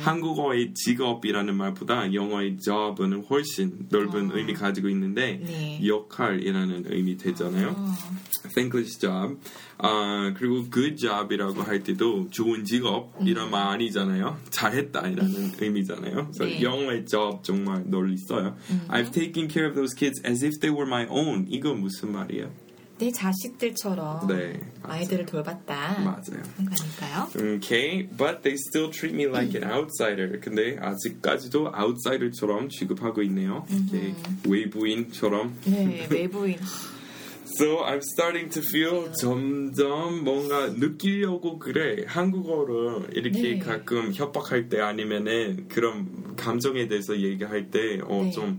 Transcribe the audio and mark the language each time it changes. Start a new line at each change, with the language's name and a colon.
Korean: 한국어의 직업이라는 말보다 영어의 job은 훨씬 넓은 의미 가지고 있는데 네. 역할이라는 의미 되잖아요. Thankless job. 그리고 good job이라고 할 때도 좋은 직업 이런 말 아니잖아요. 잘했다 이라는 의미잖아요.
English: So
Korean: 네. 영어의 job 정말 널리 써요.
English: I've taken care of those kids as if they were my own.
Korean: 이거 무슨 말이에요? 내 자식들처럼 네, 아이들을 돌봤다. 맞아요. 그러니까요.
English: Okay, but they still treat me like an outsider.
Korean: 근데 아직까지도 아웃사이더처럼 취급하고 있네요. 네, 외부인처럼. 네, 외부인.
English: So I'm starting to feel
Korean: 점점 뭔가 느끼려고 그래. 한국어로 이렇게 네. 가끔 협박할 때 아니면은 그런 감정에 대해서 얘기할 때 좀